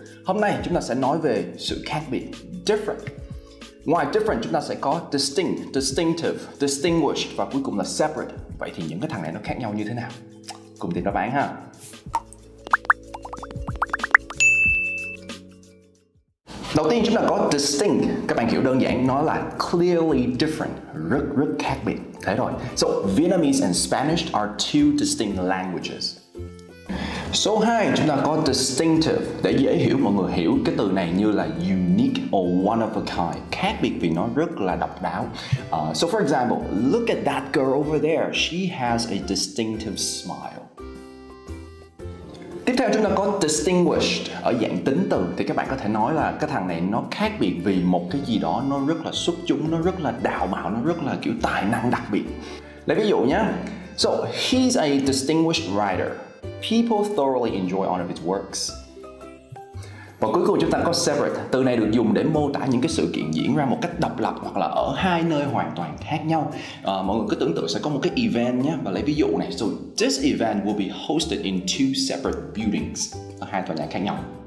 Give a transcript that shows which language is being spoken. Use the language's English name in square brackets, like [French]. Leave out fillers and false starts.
[Vietnamese] Hôm nay chúng ta sẽ nói về sự khác biệt, different. Ngoài different chúng ta sẽ có distinct, distinctive, distinguished và cuối cùng là separate. Vậy thì những cái thằng này nó khác nhau như thế nào? Cùng tìm đáp án ha. Đầu tiên chúng ta có distinct, các bạn hiểu đơn giản, nó là [English] clearly different, [Vietnamese] rất rất khác biệt, thế rồi. [English] So, Vietnamese and Spanish are two distinct languages. [Vietnamese] Số 2, chúng ta có distinctive, để dễ hiểu mọi người hiểu cái từ này như là [English] unique or one of a kind, [Vietnamese] khác biệt vì nó rất là độc đáo. [English] So for example, look at that girl over there, she has a distinctive smile. [Vietnamese] Tiếp theo chúng ta có distinguished ở dạng tính từ, thì các bạn có thể nói là cái thằng này nó khác biệt vì một cái gì đó nó rất là xuất chúng, nó rất là đạo mạo, nó rất là kiểu tài năng đặc biệt. Lấy ví dụ nhé. [English] So, he's a distinguished writer. People thoroughly enjoy all of his works. [Vietnamese] Và cuối cùng chúng ta có separate. Từ này được dùng để mô tả những cái sự kiện diễn ra một cách độc lập hoặc là ở hai nơi hoàn toàn khác nhau. Mọi người cứ tưởng tượng sẽ có một cái event nhé. Và lấy ví dụ này. [English] So this event will be hosted in two separate buildings. [Vietnamese] Ở hai tòa nhà khác nhau.